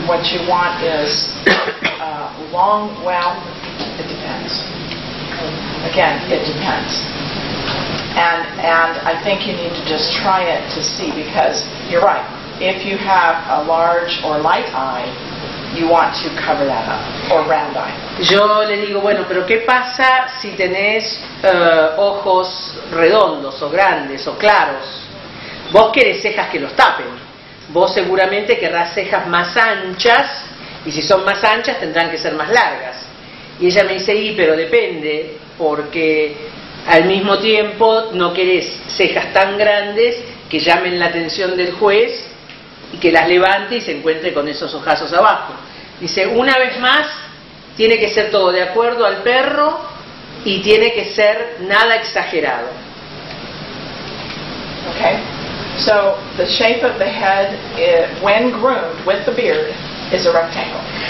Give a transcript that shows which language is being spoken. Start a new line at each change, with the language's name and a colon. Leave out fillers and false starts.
English: What you want is long. Well, it depends. Again, it depends. And I think you need to just try it to see, because you're right. If you have a large or light eye, you want to cover that up, or round eye.
Spanish: Yo le digo, bueno, pero ¿qué pasa si tenés ojos redondos o grandes o claros? Vos querés cejas que los tapen. Vos seguramente querrás cejas más anchas, y si son más anchas tendrán que ser más largas. Y ella me dice, y pero depende, porque al mismo tiempo no querés cejas tan grandes que llamen la atención del juez y que las levante y se encuentre con esos ojazos abajo. Dice, una vez más, tiene que ser todo de acuerdo al perro y tiene que ser nada exagerado.
English: Okay. So the shape of the head when groomed with the beard is a rectangle.